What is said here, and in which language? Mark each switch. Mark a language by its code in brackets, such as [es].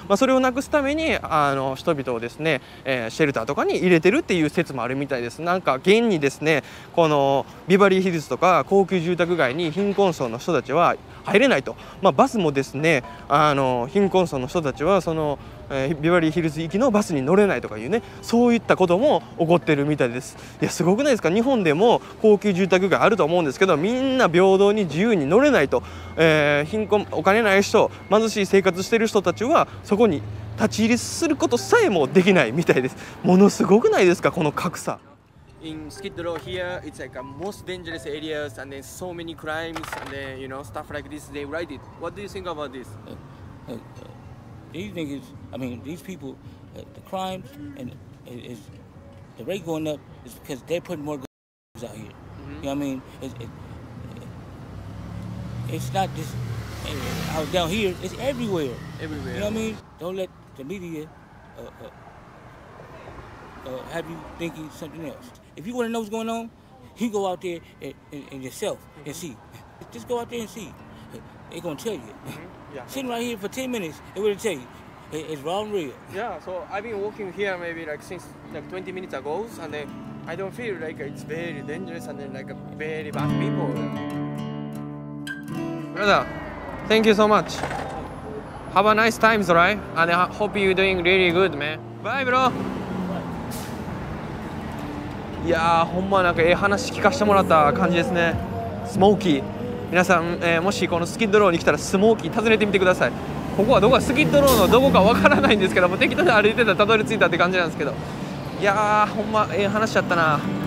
[ja] まあ、それをなくすためにあの人々をですね、シェルターとかに入れてるっていう説もあるみたいです。なんか現にですねこのビバリーヒルズとか高級住宅街に貧困層の人たちは入れないと、まあ、バスもですねあの貧困層の人たちはその、ビバリーヒルズ行きのバスに乗れないとかいうねそういったことも起こってるみたいです。いやすごくないですか。日本でも高級住宅街あると思うんですけどみんな平等に自由に乗れないと、貧困お金ない人貧しい生活してる人たちはそこに立ち入りすることさえもできないみたいです。ものすごくないですかこの格差。 [en] In Skid Row here, it's like a most dangerous areas and then so many crimes and then you know stuff like this. They write it. What do you think about this? Do you think it's? I mean, these people, the crimes and is the rate going up is because they put more out here. Mm-hmm. You know what I mean? It's not just out down here. It's everywhere. Everywhere. You know what I mean? Don't let the media have you thinking something else. If you want to know what's going on, you go out there and yourself mm-hmm. and see. Just go out there and see. They're going to tell you. Mm-hmm. Yeah. Sitting right here for 10 minutes, it will tell you. It's wrong real. Yeah, so I've been walking here maybe like since like 20 minutes ago, and then I don't feel like it's very dangerous and then like very bad people. Brother, thank you so much. Have a nice time, right? And I hope you're doing really good, man. Bye, bro! [ja] いやー、ほんまなんかええ話聞かせてもらった感じですね。スモーキー。皆さん、もしこのスキッドローに来たらスモーキー訪ねてみてください。ここはどこか、スキッドローのどこかわからないんですけど、もう適当に歩いてたらたどり着いたって感じなんですけど。いやー、ほんまええ話やったな。